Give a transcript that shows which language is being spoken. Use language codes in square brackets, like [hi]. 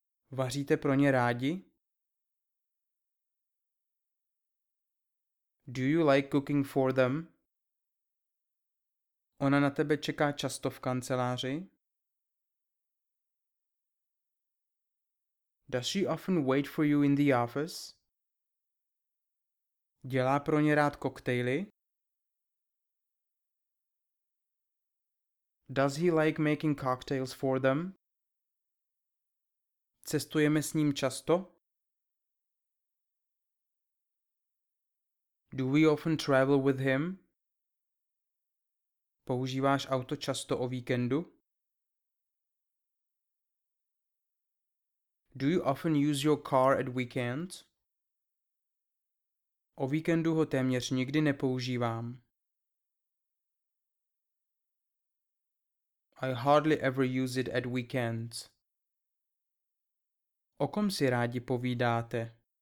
[cs] Vaříte pro ně rádi? [en] Do you like cooking for them? [cs] Ona na tebe čeká často v kanceláři? [en] Does she often wait for you in the office? [cs] Dělá pro ně rád koktejly? [en] Does he like making cocktails for them? [cs] Cestujeme s ním často? [en] Do we often travel with him? [cs] Používáš auto často o víkendu? [en] Do you often use your car at weekends? [cs] O víkendu ho téměř nikdy nepoužívám. [en] I hardly ever use it at weekends. [cs] O kom si rádi povídáte?